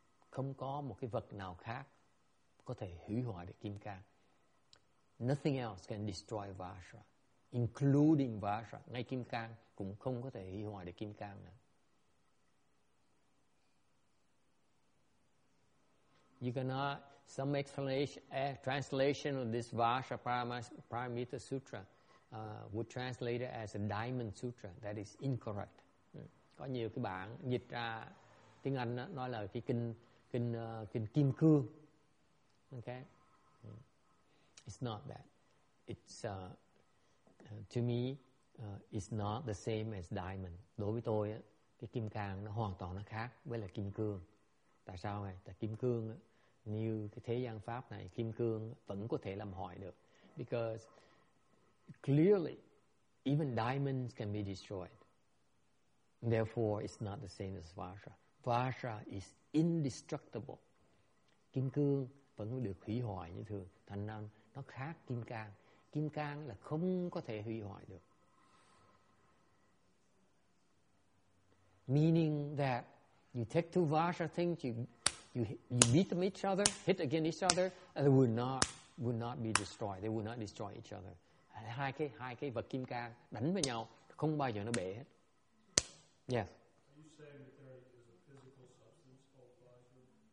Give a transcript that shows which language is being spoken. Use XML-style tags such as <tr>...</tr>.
<vi>Không có một cái vật nào khác có thể hủy hoại được kim cang.</vi> <en>Nothing else can destroy Vajra. including Vajra.</en> <vi>Ngay Kim Cang cũng không có thể hy hoài được Kim Cang nữa.</vi> <en>You cannot, some explanation, translation of this Vajra Paramita Sutra would translate it as a diamond sutra. That is incorrect.</en> <vi>Có nhiều cái bản dịch ra tiếng Anh đó, nói là cái kinh kim cương. Okay.</vi> <en>It's not that. It's to me, it's not the same as diamond.</en> <vi>Đối với tôi, cái kim cang nó hoàn toàn nó khác với là kim cương. Tại sao vậy? Tại kim cương, như cái thế gian pháp này, kim cương vẫn có thể làm hỏi được.</vi> <en>Because clearly, even diamonds can be destroyed. Therefore, it's not the same as Vajra. Vajra is indestructible.</en> <vi>Kim cương vẫn được hủy hoại như thường. Thành ra nó khác kim cang. Kim cang là không có thể hủy hoại được.</vi> <en>Meaning that you take two Vajra things, you beat them each other, hit against each other, and they would not be destroyed. They would not destroy each other.</en> <vi>Hai cái vật kim cang đánh với nhau không bao giờ nó bể hết.</vi> <en>Yes. Are you saying that there is a physical substance called Vajra?</en>